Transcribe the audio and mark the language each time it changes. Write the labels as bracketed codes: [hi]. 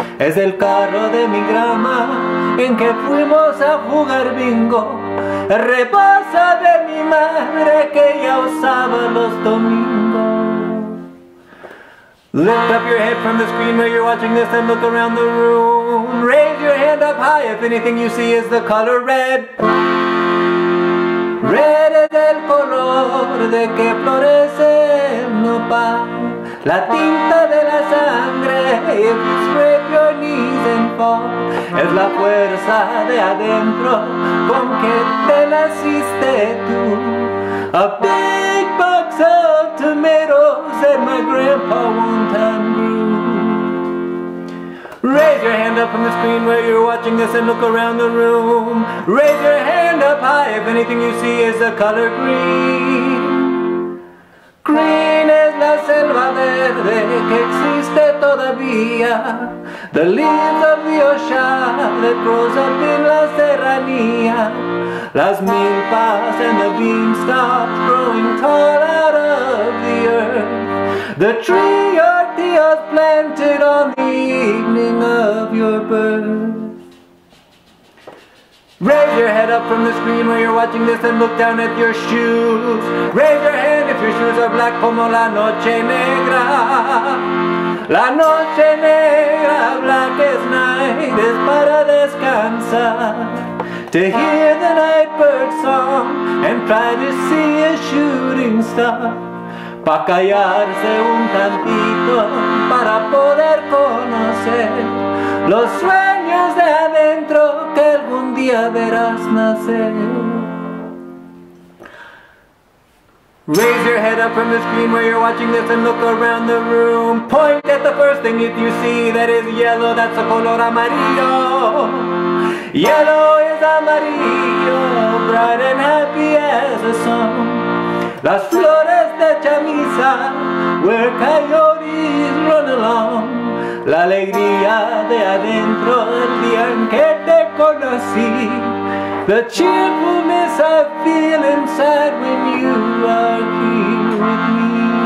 [es] Es el carro de mi grandma en que fuimos a jugar bingo. Rebasa de mi madre que ya usaba los domingos. [en] Lift up your head from the screen where you're watching this and look around the room. Raise your hand up high if anything you see is the color red. [es] Red es el color de que florece el nopal. La tinta de la sangre, [en] if you scrape your knees and fall. [es] Es la fuerza de adentro con que te naciste tú. [en] A big box of tomatoes that my grandpa one time grew. Raise your hand up from the screen where you're watching this and look around the room. Raise your hand up high if anything you see is the color green. Green is the same. [es] selva verde que existe todavía. [en] The leaves of the ocean that grows up in la serranía. Las milpas and the beanstalk growing tall out of the earth. The tree your tías planted on the evening of your birth. Raise your head up from the screen where you're watching this and look down at your shoes. Raise your hand if your shoes are black [es] como la noche negra. La noche negra, [en] black as night, [es] es para descansar. [en] To hear the night bird song and try to see a shooting star. [es] Pa' callarse un tantito para poder conocer los sueños de adentro que algún día verás nacer. [en] Raise your head up from the screen where you're watching this and look around the room. Point at the first thing if you see that is yellow, that's a color amarillo. Yellow is amarillo, bright and happy as a song. [es] Las flores de chamisa, [en] where coyotes run along. [es] La alegría de adentro, el día en que te conocí. [en] The cheerfulness I feel inside when you are here with me.